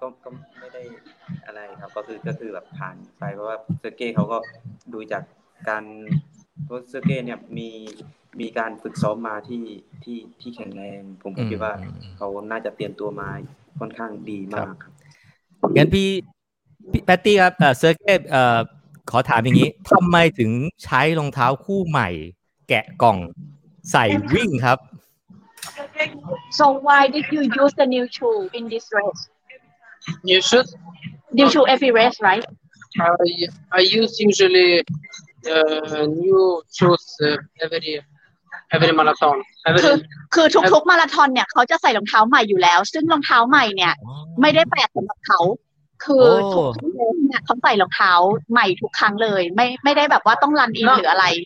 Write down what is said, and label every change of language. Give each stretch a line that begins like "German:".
Thai: ก็ไม่ได้อะไรครับก็คือแบบผ่านไปเพราะว่าเซอร์เก้เขาก็ดูจากการเซอร์เก้เนี่ยมีการฝึกซ้อมมาที่แข็งแรงผมคิดว่าเขาน่าจะเตรียมตัวมาค่อนข้างดีมากครับ งั้นพี่แพตตี้ครับเซอร์เก้ขอถามอย่างนี้ทำไมถึงใช้รองเท้าคู่ใหม่แกะกล่องใส่วิ่งครับ
English: So why did you use the new shoe in this race? New shoe? New shoe every race, right? I use usually new shoes every marathon.
Thai: คือทุกๆมาราธอนเนี่ยเขาจะใส่รองเท้าใหม่อยู่แล้วซึ่งรองเท้าใหม่เนี่ย ไม่ได้แปลกสำหรับเขาคือทุกๆเนี่ยเขาใส่รองเท้าใหม่ทุกครั้งเลยไม่ได้แบบว่าต้องรันอินหรืออะไร